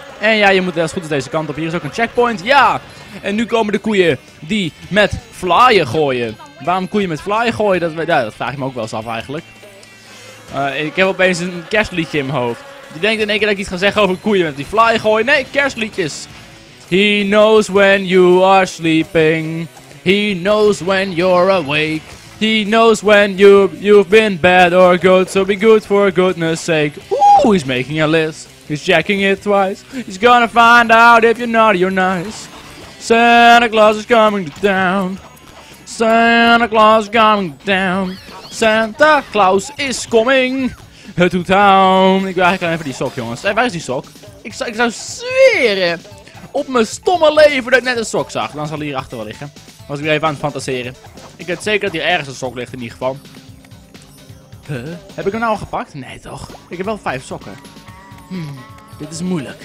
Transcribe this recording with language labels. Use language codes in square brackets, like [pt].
[nl] En ja, je moet als goed als deze kant op. Hier is ook een checkpoint. Ja. En nu komen de koeien die met vlaaien gooien. Waarom koeien met vlaaien gooien? Dat vraag ik me ook wel eens af eigenlijk. Ik heb opeens een kerstliedje in mijn hoofd. Die denkt in één keer dat ik iets ga zeggen over koeien met die vlaaien gooien. Nee, kerstliedjes. [en] He knows when you are sleeping. He knows when you're awake. He knows when you've been bad or good, so be good for goodness sake. Oeh, Oh, he's making a list. He's checking it twice. He's gonna find out if you're naughty or nice. Santa Claus is coming to town. Santa Claus is coming to town. Santa Claus is coming to town. [nl] Ik wil eigenlijk even die sok, jongens. Hey, waar is die sok? Ik zou zweren op mijn stomme leven dat ik net een sok zag. Dan zal hij hierachter wel liggen. Was ik weer even aan het fantaseren. Ik weet zeker dat hier ergens een sok ligt in ieder geval. Huh? Heb ik hem nou al gepakt? Nee toch? Ik heb wel 5 sokken. Dit is moeilijk.